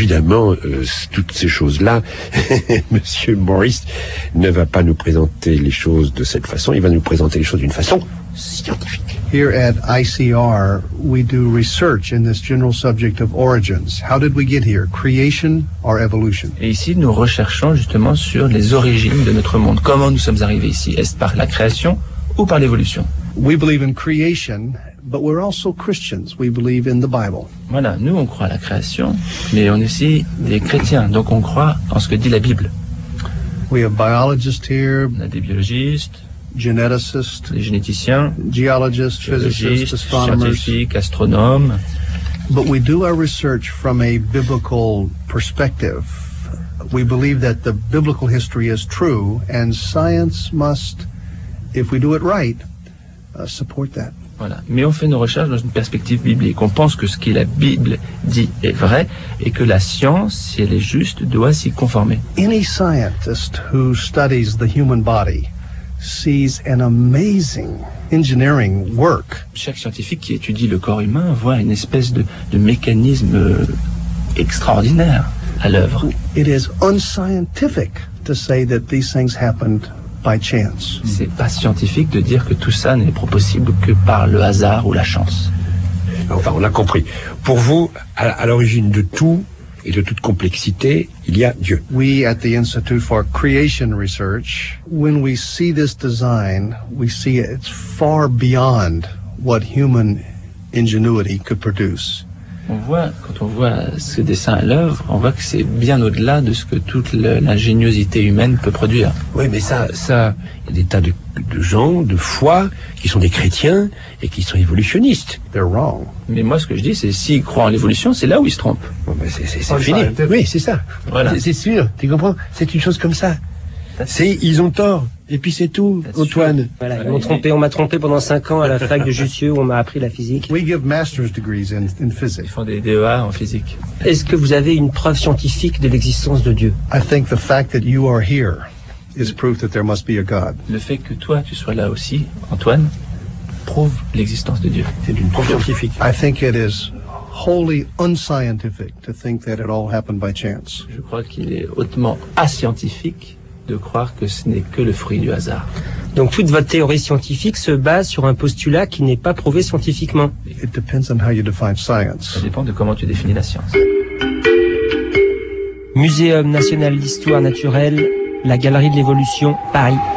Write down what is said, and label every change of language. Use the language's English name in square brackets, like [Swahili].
[French] Évidemment, toutes ces choses-là, Monsieur Morris ne va pas nous présenter les choses de cette façon, il va nous présenter les choses d'une façon scientifique. [English] Here at ICR, we do research in this general subject of origins. How did we get here? Creation or evolution? [French] Et ici, nous recherchons justement sur les origines de notre monde. Comment nous sommes arrivés ici? Est-ce par la création ou par l'évolution. [English] We believe in creation, but we're also Christians. We believe in the Bible. [French] Voilà, nous on croit à la création, mais on est aussi des chrétiens, donc on croit en ce que dit la Bible. [English] We have biologists here. [French] On a des biologistes. [English] Geneticists. [French] Des généticiens. [English] Geologists, physicists, astronomers. [French] Scientifiques, astronomes. [English] But we do our research from a biblical perspective. We believe that the biblical history is true, and science must, if we do it right, support that. [French] Voilà. Mais on fait nos recherches dans une perspective biblique. On pense que ce que la Bible dit est vrai et que la science, si elle est juste, doit s'y conformer. [English] Any scientist who studies the human body sees an amazing engineering work. [French] Chaque scientifique qui étudie le corps humain voit une espèce de mécanisme extraordinaire à l'œuvre. [English] It is unscientific to say that these things happened by chance. [French] C'est pas scientifique de dire que tout ça n'est possible que par le hasard ou la chance. Enfin, on a compris. Pour vous, à l'origine de tout et de toute complexité, il y a Dieu. [English] We at the Institute for Creation Research, when we see this design, we see it's far beyond what human ingenuity could produce. [French] On voit, quand on voit ce dessin à l'œuvre, on voit que c'est bien au-delà de ce que toute l'ingéniosité humaine peut produire. Oui, mais ça, il y a des tas de gens, de foi, qui sont des chrétiens et qui sont évolutionnistes. [English] They're wrong. [French] Mais moi, ce que je dis, c'est s'ils croient en l'évolution, c'est là où ils se trompent. Bon, mais c'est fini. Oui, c'est ça. Voilà. C'est sûr. Tu comprends? C'est une chose comme ça. C'est, ils ont tort. Et puis c'est tout, Antoine. Voilà, ils m'ont trompé. On m'a trompé pendant 5 ans à la fac de Jussieu où on m'a appris la physique. [English] We give master's degrees in physics. [French] Ils font des DEA en physique. Est-ce que vous avez une preuve scientifique de l'existence de Dieu? [English] I think the fact that you are here is proof that there must be a God. [French] Le fait que toi tu sois là aussi, Antoine, prouve l'existence de Dieu. C'est une preuve scientifique. [English] I think it is wholly unscientific to think that it all happened by chance. [French] Je crois qu'il est hautement ascientifique de croire que ce n'est que le fruit du hasard. Donc toute votre théorie scientifique se base sur un postulat qui n'est pas prouvé scientifiquement. [English] It depends on how you define science. [French] Ça dépend de comment tu définis la science. Muséum national d'histoire naturelle, la Galerie de l'évolution, Paris.